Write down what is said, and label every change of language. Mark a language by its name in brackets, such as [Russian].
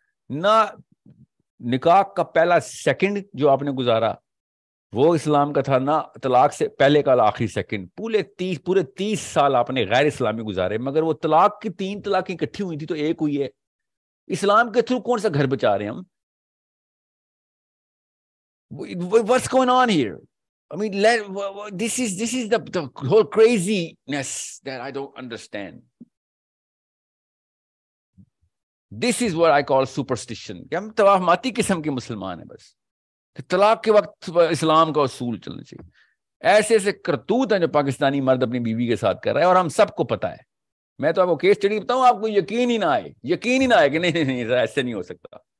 [Urdu] نہ نکاح کا پہلا سیکنڈ جو آپ نے گزارا وہ اسلام کا تھا, نہ طلاق سے پہلے کا آخری سیکنڈ. پورے تیس سال آپ نے غیر اسلامی گزارے, مگر وہ طلاق کی تین طلاقیں اکٹھی ہوئی تھی تو ایک ہوئی ہے. اسلام کے تھرو کون سا گھر بچا رہے ہیں ہم؟ [English] What's going on here? I mean, this is the whole craziness that I don't understand. This is what I call superstition. [Urdu] ہم توہماتی قسم کے مسلمان ہیں. بس طلاق کے وقت اسلام کا اصول چلنا چاہیے. ایسے ایسے کرتوت ہیں جو پاکستانی مرد اپنی بیوی کے ساتھ کر رہا ہے, اور ہم سب کو پتا ہے. میں تو آپ کو کیس اسٹڈی بتاؤں, آپ کو یقین ہی نہ آئے کہ نہیں نہیں ایسے نہیں ہو سکتا.